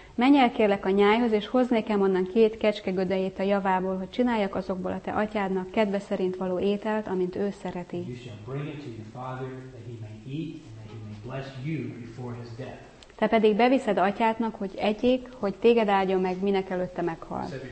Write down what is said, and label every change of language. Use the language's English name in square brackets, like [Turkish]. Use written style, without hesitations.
[Hungarian] Menj el kérlek a nyájhoz, és hozz nekem onnan két kecske gödejét a javából, hogy csináljak azokból a te atyádnak kedve szerint való ételt, amint ő szereti. [English] You shall bring it to your father, that he may eat, and that he may bless you before his death. [Hungarian] Te pedig beviszed atyádnak, hogy egyék, hogy téged áldjon meg, minek előtte meghal.